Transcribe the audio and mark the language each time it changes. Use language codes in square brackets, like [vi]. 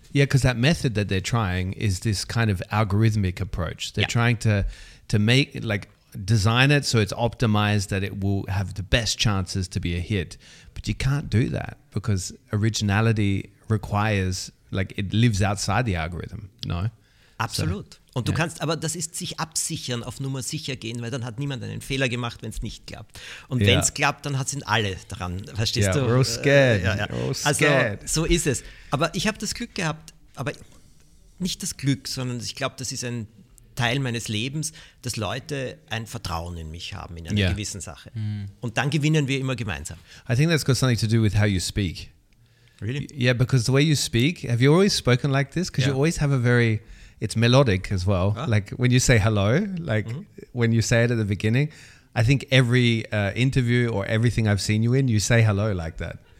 [en] Yeah, because that method that they're trying is this kind of algorithmic approach. They're trying to make, like, design it so it's optimized that it will have the best chances to be a hit. But you can't do that because originality requires... Like it lives outside the algorithm, no? [de] Absolut. So, und du kannst, aber das ist sich absichern, auf Nummer sicher gehen, weil dann hat niemand einen Fehler gemacht, wenn es nicht klappt. Und wenn es klappt, dann hat es ihn alle dran, verstehst du? [en] We're all scared. [de] Also so ist es. Aber ich habe das Glück gehabt, aber nicht das Glück, sondern ich glaube, das ist ein Teil meines Lebens, dass Leute ein Vertrauen in mich haben, in einer gewissen Sache. Mm. Und dann gewinnen wir immer gemeinsam. [en] I think that's got something to do with how you speak. Really? Yeah, because the way you speak, have you always spoken like this? Because you always have a very, it's melodic as well. Huh? Like when you say hello, like when you say it at the beginning, I think every interview or everything I've seen you in, you say hello like that.